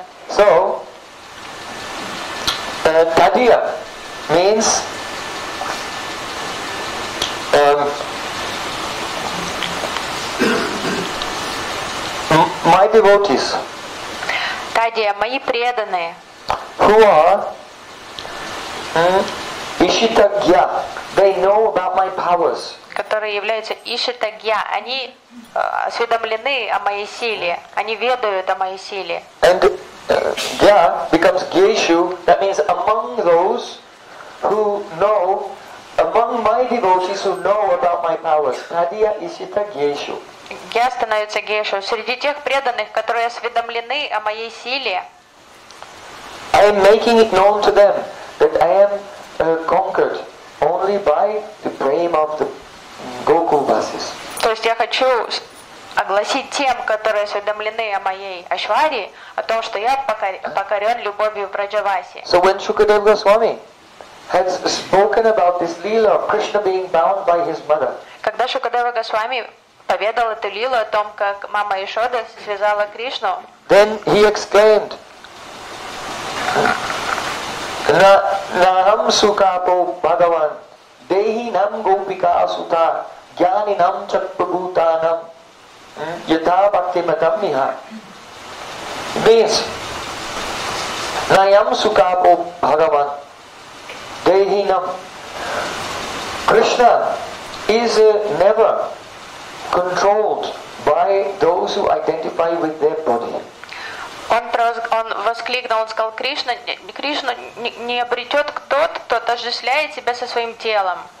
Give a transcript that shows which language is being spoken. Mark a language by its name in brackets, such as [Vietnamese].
[English] So, Tadiya means my devotees. [Russian] Tadiya, мои преданные. [English] Who are Ishitagya, they know about my powers. [Russian] Которые являются Ишитагья, они осведомлены о моей силе, они ведают о моей силе. [English] And Gya becomes Geshu, that means among those who know, among my devotees who know about my powers. [Sanskrit] Tadiya Ishitagyeshu. [Russian] Gya становится Geshu, среди тех преданных, которые осведомлены о моей силе. [English] I am making it known to them that I am conquered only by the prema of the Gokulvasis. [Russian] То есть я хочу огласить тем, которые осведомлены о моей Ашваре, о том, что я покорен любовью Враджаваси. [English] So when Shukadev Goswami has spoken about this lila of Krishna being bound by his mother. [Russian] Когда Шукадева Госвами поведал эту лилу о том, как мама Ишода связала Кришну. [English] Then he exclaimed, [Sanskrit] Naham sukapo Bhagavan, Dehi nam gopika asuta, Jnani nam chakpabhutanam, Yatha bhakti matam niha. Means, Naham sukapo Bhagavan, Dehi nam. [English] Krishna is never controlled by those who identify with their body. [Russian] Он воскликнул, он сказал, Кришна не обретет тот, кто отождествляет себя со своим телом.